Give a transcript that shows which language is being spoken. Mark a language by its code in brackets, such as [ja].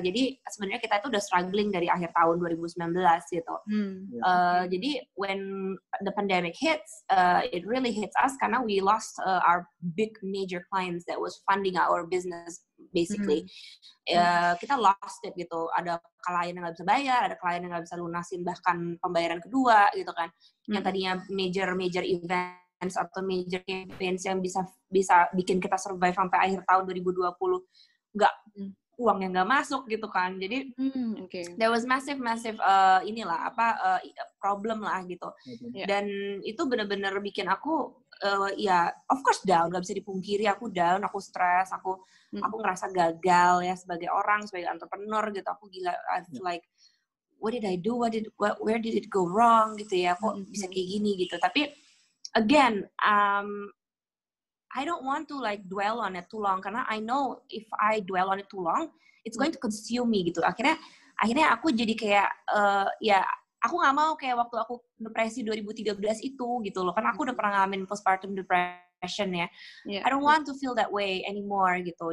[id] Jadi sebenarnya kita itu udah struggling dari akhir tahun 2019 gitu. Jadi [en] when the pandemic hits, it really hits us [id] karena [en] we lost our big major clients that was funding our business. [id] Basically, kita lost it gitu. Ada klien yang nggak bisa bayar, ada klien yang nggak bisa lunasin bahkan pembayaran kedua gitu kan. Yang tadinya major events atau major campaigns yang bisa bikin kita survive sampai akhir tahun 2020, nggak uang yang nggak masuk gitu kan. Jadi, [en] there was massive [id] inilah apa problem lah gitu. Dan itu benar-benar bikin aku ya, of course down, gak bisa dipungkiri aku down, aku stres, aku ngerasa gagal ya sebagai orang, sebagai entrepreneur gitu, aku gila, [en] I feel like what did I do, where did it go wrong [id] gitu ya, kok bisa kayak gini gitu. Tapi [en] again, I don't want to like dwell on it too long [id] karena [en] I know if I dwell on it too long, it's going to consume me gitu. [id] Akhirnya aku jadi kayak aku gak mau kayak waktu aku depresi 2013 itu gitu loh. Karena aku udah pernah ngalamin postpartum depression ya. [en] I don't want to feel that way anymore gitu.